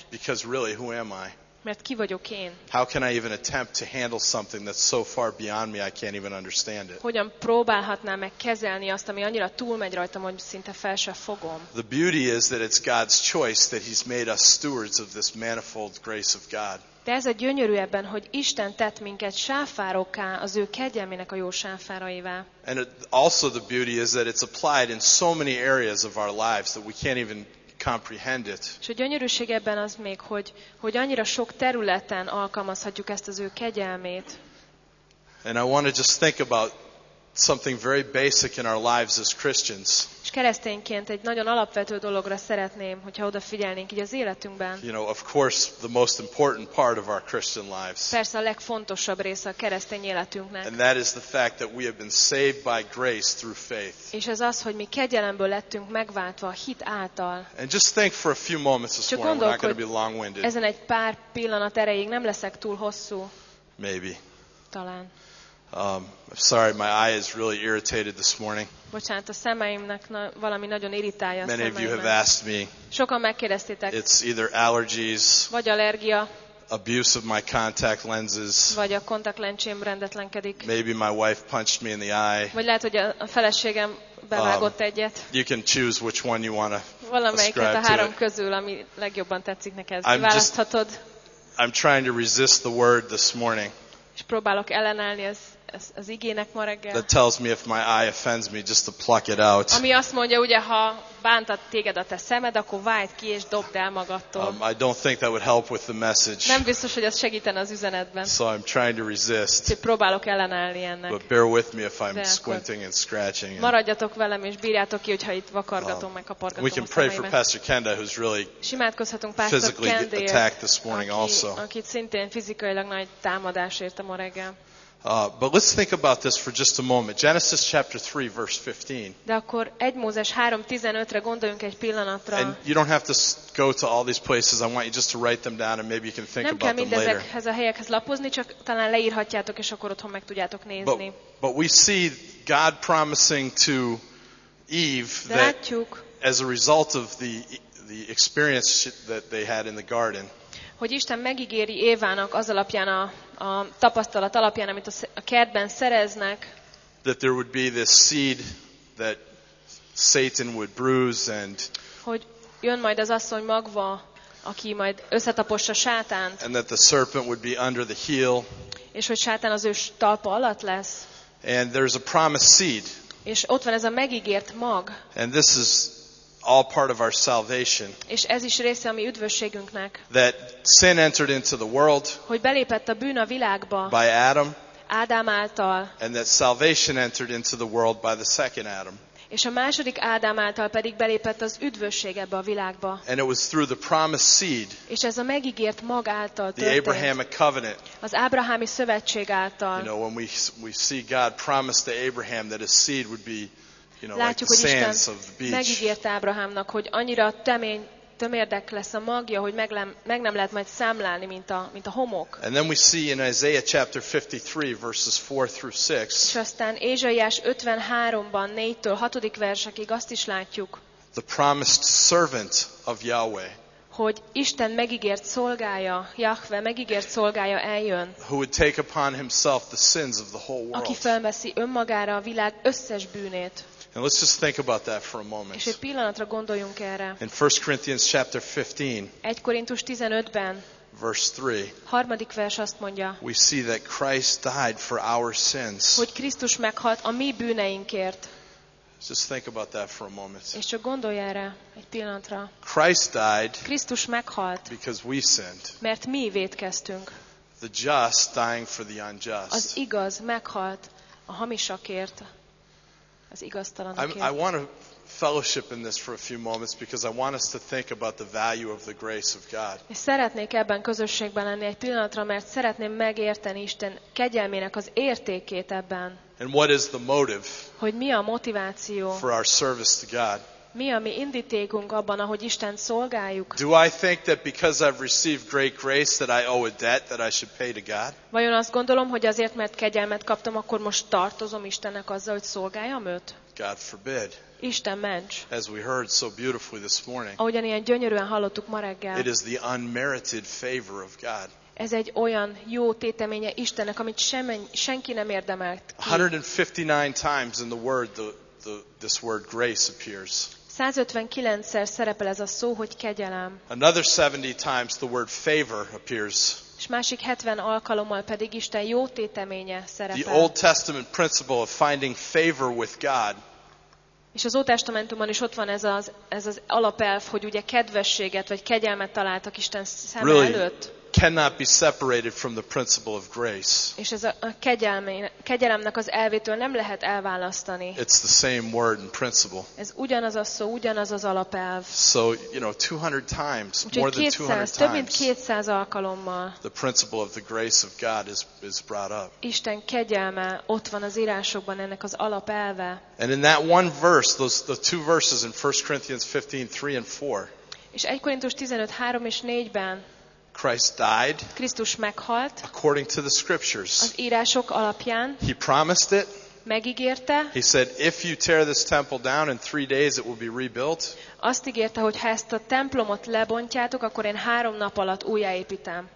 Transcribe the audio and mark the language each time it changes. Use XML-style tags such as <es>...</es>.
<en>Because really, who am I?</en> <hu>Mert ki vagyok én?</hu> <en>How can I even attempt to handle something that's so far beyond me I can't even understand it?</en> <hu>Hogyan próbálhatnám meg kezelni azt, ami annyira túlmegy rajtam, hogy szinte fel se fogom?</hu> <en>The beauty is that it's God's choice that he's made us stewards of this manifold grace of God.</en> <hu>De ez a gyönyörű ebben, hogy Isten tett minket sáfárokká az ő kegyelmének a jó sáfáraivá.</hu> <en>And also the beauty is that it's applied in so many areas of our lives that we can't even comprehend it.</en> <hu>És a gyönyörűség ebben az még, hogy annyira sok területen alkalmazhatjuk ezt az ő kegyelmét.</hu> <en>And I want to just think about something very basic in our lives as Christians.</en> <hu>És keresztényként egy nagyon alapvető dologra szeretném, hogyha odafigyelnénk így az életünkben.</hu> <en>You know, of course, the most important part of our Christian lives.</en> <hu>Persze a legfontosabb része a keresztény életünknek.</hu> <en>And that is the fact that we have been saved by grace through faith.</en> <hu>És ez az, hogy mi kegyelemből lettünk megváltva a hit által.</hu> <en>And just think for a few moments this morning. We're not going to be long-winded.</en> <hu>Ezen egy pár pillanat erejéig nem leszek túl hosszú.</hu> <en>Maybe.</en> <hu>Talán.</hu> <en>I'm sorry, my eye is really irritated this morning.</en> <hu>Bocsánat, a szemeimnek valami nagyon irritálja a szemeimet.</hu> <en>Many of you have asked me.</en> <hu>Sokan megkérdeztétek.</hu> <en>It's either allergies.</en> <hu>Vagy allergia.</hu> <en>Abuse of my contact lenses.</en> <hu>Vagy a kontaktlencsém rendetlenkedik.</hu> <en>Maybe my wife punched me in the eye.</en> <hu>Vagy lehet, hogy a feleségem bevágott egyet.</hu> <en>You can choose which one you want to ascribe to it.</en> <hu>Valamelyiket a három közül, ami legjobban tetszik neked. Választhatod.</hu> <en>I'm trying to resist the word this morning.</en> <hu>És próbálok ellenállni az igének ma reggel.</hu> <en>That tells me if my eye offends me, just to pluck it out.</en> <hu>Ami azt mondja, ugye, ha bántat téged a te szemed, akkor vájt ki és dobd el magadtól.</hu> <en>I don't think that would help with the message.</en> <hu>Nem biztos, hogy ez segíten az üzenetben.</hu> <en>So I'm trying to resist.</en> <hu>Úgyhogy próbálok ellenállni ennek.</hu> <en>But bear with me if I'm squinting and scratching.</en> <hu>Maradjatok velem és bírjátok ki, hogyha itt vakargatom meg a kapargatom.</hu> <en>We can pray for Pastor Kenda, who's really physically attacked this morning also.</en> <hu>Akit szintén fizikailag nagy támadás érte ma reggel.</hu> <en>But let's think about this for just a moment. Genesis chapter 3 verse 15.</en> <hu>De akkor 1 Mózes 3:15-re gondoljunk egy pillanatra.</hu> <en>And you don't have to go to all these places. I want you just to write them down and maybe you can think</en> <hu>nem</hu> <en>about them later.</en> <hu>Nem kell mindezekhez a helyekhez lapozni, csak talán leírhatjátok és akkor otthon meg tudjátok nézni.</hu> <en>But we see God promising to Eve that as a result of the experience that they had in the garden.</en> <hu>Hogy Isten megígéri Évának az alapján a tapasztalat alapján, amit a kertben szereznek.</hu> <en>That there would be this seed that Satan would bruise and</en> <hu>hogy jön majd az asszony magva, aki majd összetapossa Sátánt.</hu> <en>And that the serpent would be under the heel.</en> <hu>És hogy Sátán az ő talpa alatt lesz.</hu> <en>And there's a promised seed.</en> <hu>És ott van ez a megígért mag.</hu> <en>And this is all part of our salvation.</en> <hu>És ez is része a mi üdvösségünknek.</hu> <en>That sin entered into the world.</en> <hu>Hogy belépett a bűn a világba.</hu> <en>By Adam.</en> <hu>Ádám által.</hu> <en>And that salvation entered into the world by the second Adam.</en> <hu>És a második Ádám által pedig belépett az üdvösség ebbe a világba.</hu> <en>And it was through the promised seed.</en> <hu>És ez a megígért mag által történt.</hu> <en>The Abrahamic covenant.</en> <hu>Az ábrahámi szövetség által.</hu> <en>You know, when we see God promised to Abraham that his seed would be, you know,</en> <hu>látjuk,</hu> <en>like the</en> <hu>hogy Isten megígérte Ábrahámnak, hogy annyira temény tömérdek lesz a magja, hogy meg nem lehet majd számlálni, mint a homok.</hu> <en>And then we see in Isaiah chapter 53 verses 4 through 6.</en> <hu>És aztán Ézsaiás 53-ban 4-től 6. versekig azt is látjuk.</hu> <en>The promised servant of Yahweh.</en> <hu>Hogy Isten megígért szolgája, Yahweh megígért szolgája eljön.</hu> <en>Who would take upon himself the sins of the whole world.</en> <hu>Aki felveszi önmagára a világ összes bűnét.</hu> <en>And let's just think about that for a moment.</en> <hu>És egy pillanatra gondoljunk erre.</hu> <en>In 1 Corinthians chapter 15.</en> <hu>1 Korintus 15-ben.</hu> <en>Verse 3.</en> <hu>Harmadik vers azt mondja.</hu> <en>We see that Christ died for our sins.</en> <hu>Hogy Krisztus meghalt a mi bűneinkért.</hu> <en>Just think about that for a moment.</en> <hu>És csak gondolj erre egy pillanatra.</hu> <en>Christ died.</en> <hu>Krisztus meghalt.</hu> <en>Because we sinned.</en> <hu>Mert mi vétkeztünk.</hu> <en>The just dying for the unjust.</en> <hu>Az igaz meghalt a hamisakért.</hu> <en>I want to fellowship in this for a few moments because I want us to think about the value of the grace of God.</en> <hu>Szeretnék ebben közösségben lenni egy pillanatra, mert szeretném megérteni Isten kegyelmének az értékét ebben.</hu> <en>And what is the motive?</en> <hu>Hogy mi a motiváció?</hu> <en>For our service to God.</en> <hu>Mi a mi indítékunk abban, ahogy Istent szolgáljuk?</hu> <en>Do I think that because I've received great grace that I owe a debt that I should pay to God?</en> <hu>Vajon azt gondolom, hogy azért, mert kegyelmet kaptam, akkor most tartozom Istennek azzal, hogy szolgáljam őt?</hu> <en>God forbid.</en> <hu>Isten ments.</hu> <en>As we heard so beautifully this morning.</en> <hu>Ahogyan ilyen gyönyörűen hallottuk ma reggel.</hu> <en>It is the unmerited favor of God.</en> <hu>Ez egy olyan jó téteménye Istennek, amit senki nem érdemelt.</hu> <en>159 times in the word this word grace appears.</en> <hu>159-szer szerepel ez a szó, hogy kegyelem.</hu> <en>Another 70 times the word favor appears.</en> <hu>És másik 70 alkalommal pedig Isten jó téteménye szerepel.</hu> <en>The Old Testament principle of finding favor with God.</en> <hu>És az Ótestamentumban is ott van ez az alapelv, hogy ugye kedvességet vagy kegyelmet találtak Isten szeme</hu> <en>really</en> <hu>előtt.</hu> <en>Cannot be separated from the principle of grace.</en> <hu>És ez a kegyelemnek az elvétől nem lehet elválasztani.</hu> <en>It's the same word and principle.</en> <hu>Ez ugyanaz a szó, ugyanaz az alapelv.</hu> <en>So, you know, 200 times, more than 200 times.</en> <hu>Több mint 200 alkalommal.</hu> <en>The principle of the grace of God is brought up.</en> <hu>Isten kegyelme ott van az írásokban, ennek az alapelve.</hu> <en>And in that one verse, the two verses in 1 Corinthians 15:3 and 4.</en> <hu>És 1 Korintus 15:3 és 4-ben.</hu> <en>Christ died.</en> <hu>Krisztus meghalt.</hu> <en>According to the scriptures.</en> <hu>Az írások alapján.</hu> <en>He promised it.</en> <hu>Megígérte.</hu> <en>He said, if you tear this temple down in 3 days, it will be rebuilt.</en> <hu>Azt ígérte, hogy ha ezt a templomot lebontjátok, akkor én 3 nap alatt újjáépítem.</hu>